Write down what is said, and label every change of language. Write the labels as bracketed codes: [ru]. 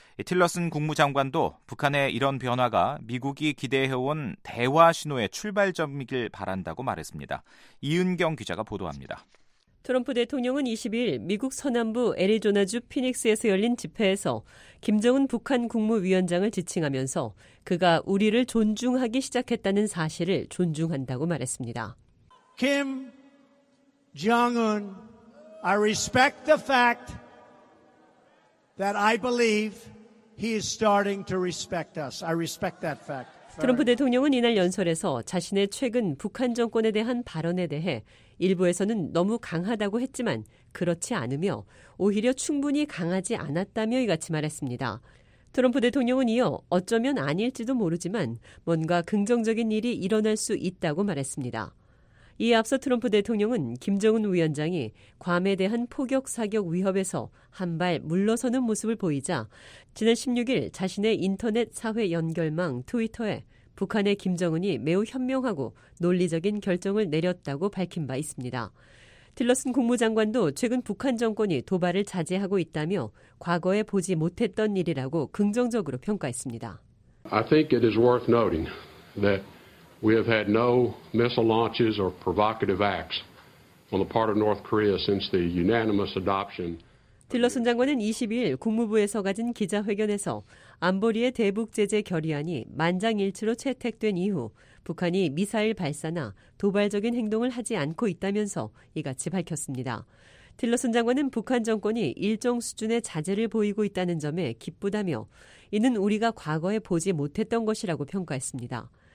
[ko] 틸러슨 국무장관도 북한의 이런 변화가 미국이 기대해온 대화 신호의 출발점이길 바란다고 말했습니다. 이은경 기자가 보도합니다. 트럼프 대통령은 22일 미국 서남부 애리조나주 피닉스에서 열린 집회에서 김정은 북한 국무위원장을 지칭하면서 그가 우리를 존중하기 시작했다는 사실을 존중한다고 말했습니다. [en] Kim Jong-un, I respect the fact that I believe he is starting to respect us. I respect that fact. [ko] 트럼프 대통령은 이날 연설에서 자신의 최근 북한 정권에 대한 발언에 대해 일부에서는 너무 강하다고 했지만 그렇지 않으며 오히려 충분히 강하지 않았다며 이같이 말했습니다. 트럼프 대통령은 이어 어쩌면 아닐지도 모르지만 뭔가 긍정적인 일이 일어날 수 있다고 말했습니다. 이에 앞서 트럼프 대통령은 김정은 위원장이 괌에 대한 포격 사격 위협에서 한 발 물러서는 모습을 보이자 지난 16일 자신의 인터넷 사회 연결망 트위터에 북한의 김정은이 매우 현명하고 논리적인 결정을 내렸다고 밝힌 바 있습니다. 틸러슨 국무장관도 최근 북한 정권이 도발을 자제하고 있다며 과거에 보지 못했던 일이라고 긍정적으로 평가했습니다. [en] I think it is worth noting that we have had no missile launches or provocative acts on the part of North Korea since the unanimous adoption. [ko] 틸러슨 장관은 22일 국무부에서 가진 기자회견에서 안보리의 대북 제재 결의안이 만장일치로 채택된 이후 북한이 미사일 발사나 도발적인 행동을 하지 않고 있다면서 이같이 밝혔습니다. 틸러슨 장관은 북한 정권이 일정 수준의 자제를 보이고 있다는 점에 기쁘다며 이는 우리가 과거에 보지 못했던 것이라고 평가했습니다.